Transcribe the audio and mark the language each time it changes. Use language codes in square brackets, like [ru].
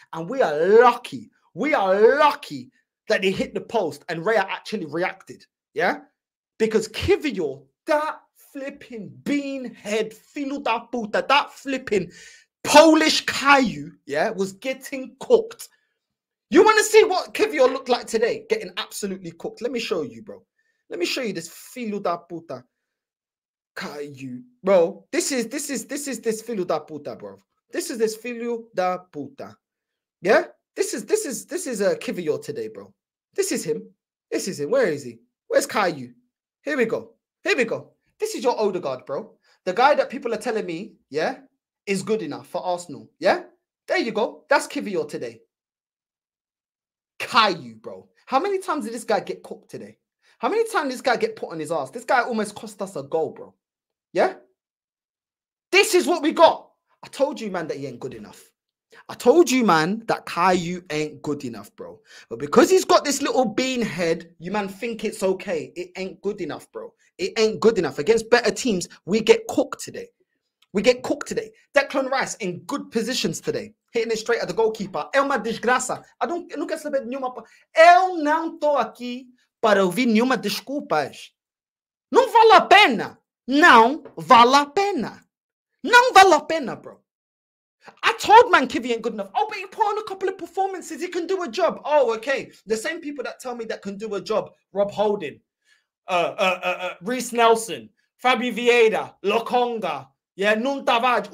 [en] And we are lucky. We are lucky that they hit the post and Raya actually reacted. Yeah? Because Kivior, that flipping beanhead, [pt] filho da puta, [en] that flipping Polish Caillou, yeah, was getting cooked. You want to see what Kivior looked like today? Getting absolutely cooked. Let me show you, bro. Let me show you this [pt] filho da puta [en] Caillou. Bro, this is [pt] filho da puta, [en] bro. This is this filho da puta. Yeah? This is Kivior today, bro. This is him. Where is he? Where's Caillou? Here we go. This is your Odegaard, bro. The guy that people are telling me, yeah, is good enough for Arsenal. Yeah? There you go. That's Kivior today. Caillou, bro. How many times did this guy get cooked today? How many times did this guy get put on his ass? This guy almost cost us a goal, bro. Yeah? This is what we got. I told you, man, that he ain't good enough. I told you, man, that Caillou ain't good enough, bro. But because he's got this little bean head, you, man, think it's okay. It ain't good enough. Against better teams, we get cooked today. Declan Rice in good positions today. Hitting it straight at the goalkeeper. [pt] É uma desgraça. Eu não quero saber nenhuma... Eu não tô aqui para ouvir nenhuma desculpas. Não vale a pena. não vale a pena. Não vale a pena, bro. [en] I told Mankiewicz ain't good enough. Oh, but he put on a couple of performances. He can do a job. Oh, okay. The same people that tell me that can do a job. Rob Holding. Reece Nelson. Fabio Vieira. Lokonga. Yeah, Nun Tavaj.